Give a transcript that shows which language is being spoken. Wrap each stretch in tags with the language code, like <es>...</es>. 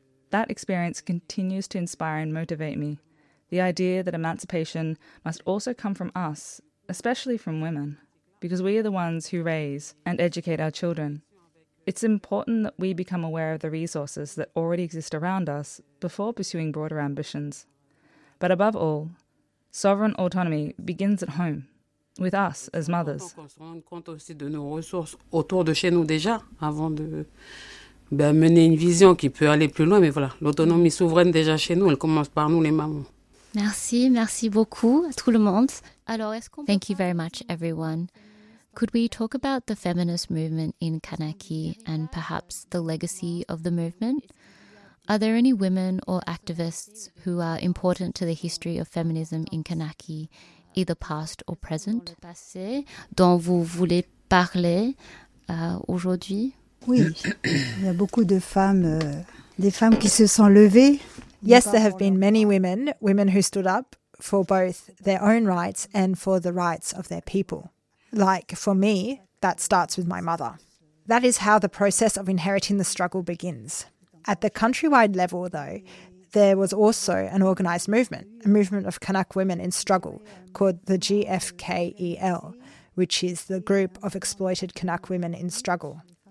<en>That experience continues to inspire and motivate me, the idea that emancipation must also come from us, especially from women, because we are the ones who raise and educate our children. It's important that we become aware of the resources that already exist around us before pursuing broader ambitions. But above all, sovereign autonomy begins at home, with us as mothers.</en> <fr>On se rend compte aussi de nos ressources autour de chez nous déjà, avant de mener une vision qui peut aller plus loin. Mais voilà, l'autonomie souveraine déjà chez nous, elle commence par nous les mamans. Merci, merci beaucoup à tout le monde. Alors, est-ce qu'on...</fr> <en>Thank you very much, everyone. Could we talk about the feminist movement in Kanaki and perhaps the legacy of the movement? Are there any women or activists who are important to the history of feminism in Kanaki, either past or present?</en> <fr>Dont vous voulez parler aujourd'hui? Oui, il y a beaucoup de femmes, des femmes qui se sont levées.</fr> <en>Yes, there have been many women, women who stood up for both their own rights and for the rights of their people. Like for me, that starts with my mother. That is how the process of inheriting the struggle begins. At the countrywide level, though, there was also an organized movement, a movement of Kanak women in struggle called the GFKEL, which is the Group of Exploited Kanak Women in Struggle.</en>